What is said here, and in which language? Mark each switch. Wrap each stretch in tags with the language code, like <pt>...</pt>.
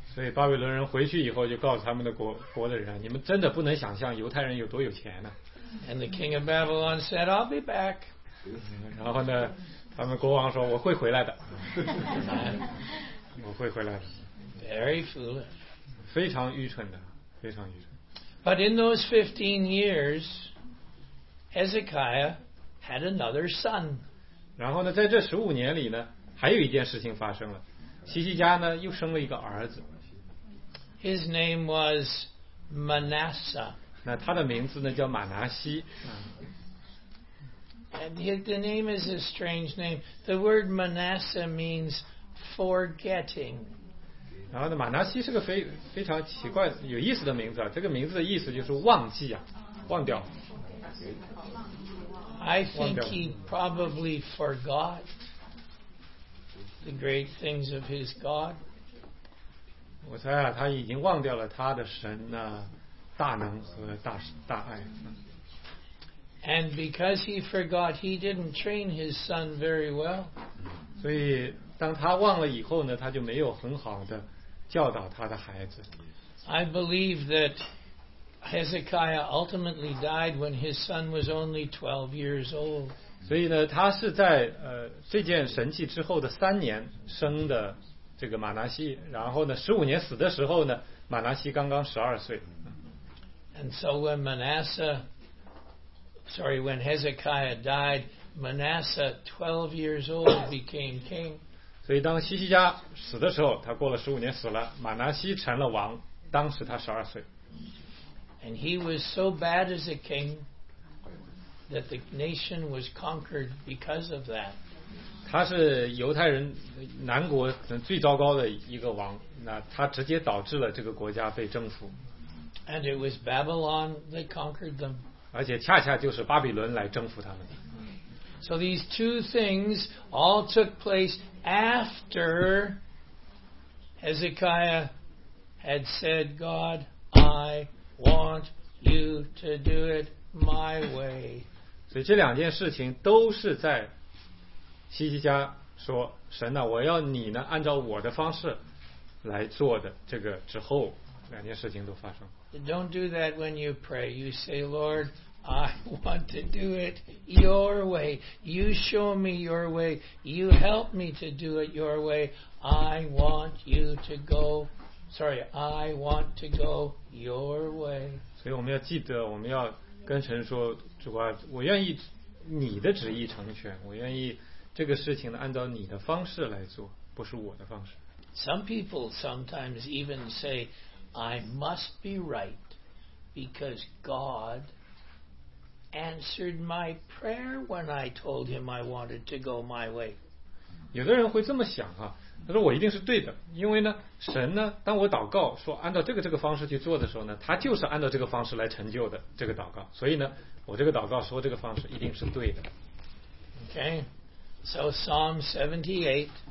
<zh>所以巴比伦人回去以后就告诉他们的国的人，你们真的不能想象犹太人有多有钱呢。</zh> <en>And the king of Babylon said, "I'll be back."</en> <zh>然后呢，他们国王说，我会回来的。我会回来的。</zh> <en>Very foolish.</en> <zh>非常愚蠢的，非常愚蠢。</zh> <en>But in those 15 years, Hezekiah had another son.</en> <zh>然后呢，在这十五年里呢，还有一件事情发生了，西西家呢又生了一个儿子。</zh> <en>His name was Manasseh.</en> <zh>那他的名字呢叫马拿西。</zh> <en>And the name is a strange name. The word Manasseh means forgetting.</en> <zh>然后呢，马拿西是个非常奇怪有意思的名字啊，这个名字的意思就是忘记啊，忘掉。</zh> <en>I think he probably forgot the great things of his God.</en> <zh>我猜啊，他已经忘掉了他的神的大能和大爱。</zh> <en>And because he forgot, he didn't train his son very well.</en> <zh>所以当他忘了以后呢，他就没有很好的教导他的孩子。</zh> <en>I believe that Hezekiah ultimately died when his son was only 12 years old.</en> <zh>所以呢，他是在这件神迹之后的三年生的这个马拿西，然后呢，十五年死的时候呢，马拿西刚刚十二岁。</zh> <en>And so when when Hezekiah died, Manasseh, 12 years old, became king.</en> <zh>所以当西西家死的时候，他过了十五年死了，马拿西成了王，当时他十二岁。</zh> <en>And he was so bad as a king that the nation was conquered because of that.</en> <zh>他是犹太人南国最糟糕的一个王，那他直接导致了这个国家被征服。</zh> <en>And it was Babylon that conquered them.</en> <zh>而且恰恰就是巴比伦来征服他们。</zh> <en>So these two things all took place after Hezekiah had said, God, I want you to do it my way.</en> <zh>所以这两件事情都是在西西家说，神啊，我要你呢按照我的方式来做的，这个之后两件事情都发生。</zh> <en>Don't do that when you pray. You say, Lord, I want to do it your way. You show me your way. You help me to do it your way. I want to go your way.</en> <zh>所以我们要记得，我们要跟神说，主啊，我愿意你的旨意成全，我愿意这个事情呢按照你的方式来做，不是我的方式。</zh> <en>Some people sometimes even say, I must be right because God answered my prayer when I told him I wanted to go my way.</en> <zh>有的人会这么想啊，他说我一定是对的，因为呢，神呢，当我祷告说按照这个方式去做的时候呢，他就是按照这个方式来成就的这个祷告，所以呢，我这个祷告说这个方式一定是对的。</zh> <en>Okay. So Psalm 78.</en>